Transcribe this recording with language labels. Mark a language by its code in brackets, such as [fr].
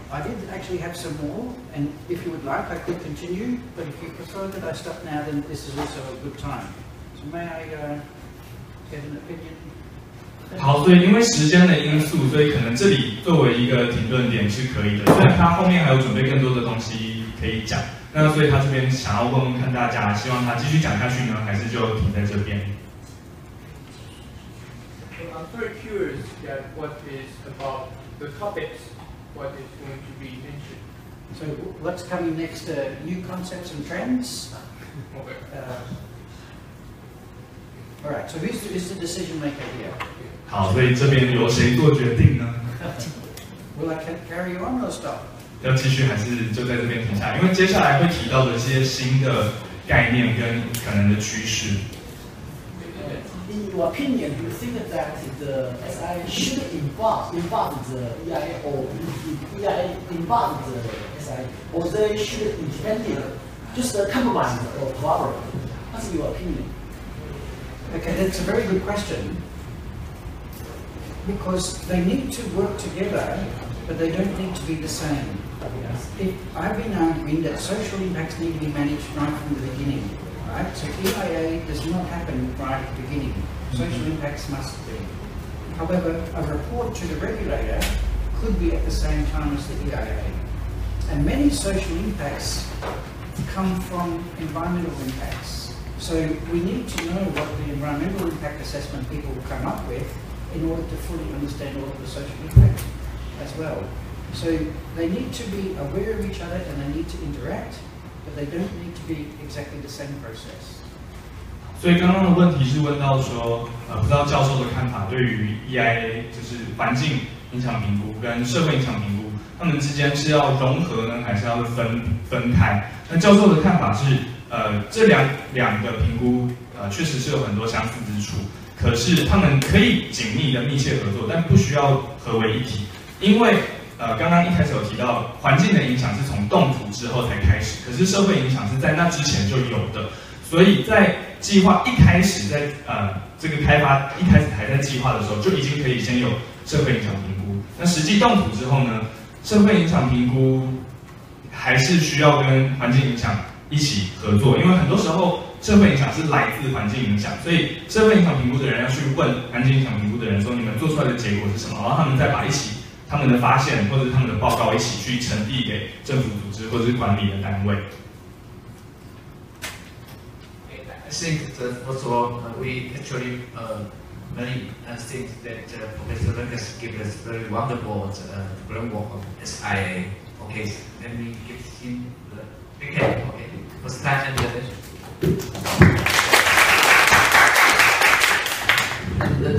[en] I did actually have some more, and if you would like, I could continue, but if you prefer that I stop now, then this is also a good time. So may I get an opinion? [zh] 好，对，因为时间的因素，所以可能这里作为一个停顿点是可以的。但他后面还有准备更多的东西可以讲，那所以他这边想要问问看大家，希望他继续讲下去呢，还是就停在这边？ [en] I'm very curious that what is about. The topics, what is going to be mentioned. So what's coming next, new concepts and trends? Okay. All right, so who's the decision maker here? [zh] 好，所以这边由谁做决定呢？ [en] Will I carry on or stop? [zh] 要继续还是就在这边停下来？因为接下来会提到的一些新的概念跟可能的趋势。 [en] In your opinion, you think that the SI should involve the EI or EI involve the SI, or they should independent, just compromise or collaborate? What's your opinion? Okay, that's a very good question. Because they need to work together, but they don't need to be the same. Yes. I've been arguing that social impacts need to be managed right from the beginning. Right? So EIA does not happen right at the beginning. Social impacts must be. However, a report to the regulator could be at the same time as the EIA. And many social impacts come from environmental impacts. So we need to know what the environmental impact assessment people come up with in order to fully understand all of the social impacts as well. So they need to be aware of each other and they need to interact, but they don't need to be exactly the same process. [zh] 所以刚刚的问题是问到说，不知道教授的看法对于 EIA 就是环境影响评估跟社会影响评估，他们之间是要融合呢，还是要分开？那教授的看法是，这两个评估，确实是有很多相似之处，可是他们可以紧密的密切合作，但不需要合为一体，因为刚刚一开始有提到，环境的影响是从动土之后才开始，可是社会影响是在那之前就有的，所以在计划一开始在这个开发一开始还在计划的时候，就已经可以先有社会影响评估。那实际动土之后呢，社会影响评估还是需要跟环境影响一起合作，因为很多时候社会影响是来自环境影响，所以社会影响评估的人要去问环境影响评估的人说，你们做出来的结果是什么，然后他们再把一起他们的发现或者是他们的报告一起去传递给政府组织或者是管理的单位。 [en] I think that, first of all, we actually, many things that Professor Lucas gave us very wonderful framework of SIA. Okay, so let me give him the big hand, okay? First time, and the attention.